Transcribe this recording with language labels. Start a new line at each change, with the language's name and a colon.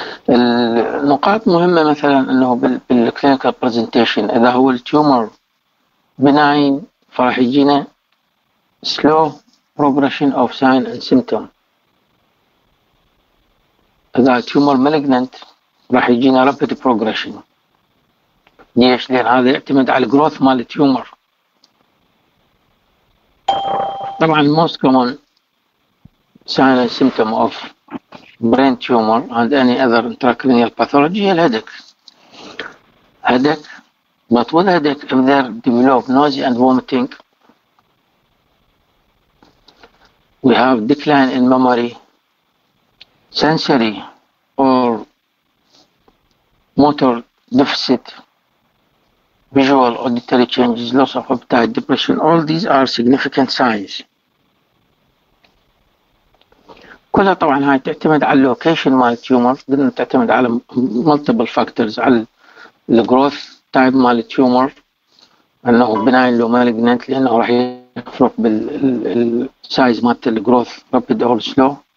Arabic: النقاط مهمة مثلا انه بالكلينيكال برزنتيشن اذا هو التيومر بناين فراح يجينا
English: slow progression of sign and symptom،
Arabic: اذا التيومر malignant راح يجينا
English: rapid progression.
Arabic: ليش؟ لان هذا يعتمد على growth مال التيومر.
English: طبعا most common sign and symptom of brain tumor and any other intracranial pathology is headache. Headache, but with headache if they develop nausea and vomiting, we have decline in memory, sensory or motor deficit, visual auditory changes, loss of appetite, depression, all these are significant signs.
Arabic: كلها طبعا هاي تعتمد على اللوكيشن مال التيومر، قلنا تعتمد على ملتيبل فاكتورز، على الجروث تايب مال التيومر انه بناين لو مالجننت لانه راح يفرق بالسايز مالت الجروث
English: Rapid or slow.